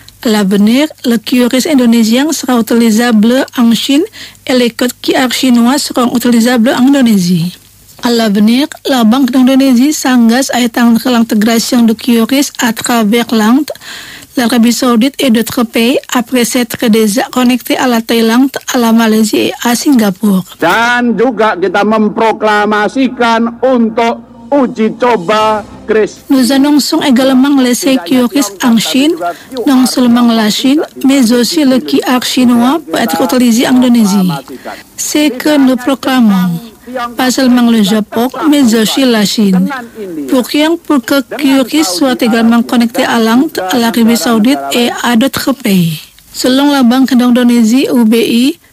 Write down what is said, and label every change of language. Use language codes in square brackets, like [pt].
[fr] À l'avenir, le QRIS indonésien sera utilisable en Chine et les codes QR chinois seront utilisables en Indonésie. À l'avenir, la Banque d'Indonésie s'engage à étendre l'intégration de QRIS à travers l'Inde, l'Arabie Saoudite et d'autres pays après s'être déjà connecté à la Thaïlande, à la Malaisie et à Singapour. [id] Dan juga kita memproklamasikan untuk uji coba QRIS. [fr] Nous annonçons également l'essai QRIS en Chine, non seulement la Chine, mais aussi le QR chinois peut être utilisé en Indonésie. C'est que nous proclamons. Pas seulement le Japon, mais aussi la Chine. Pour que QRIS soit également connecté à l'Inde, à l'Arabie Saoudite et à d'autres pays. Selon la Banque d'Indonésie, UBI,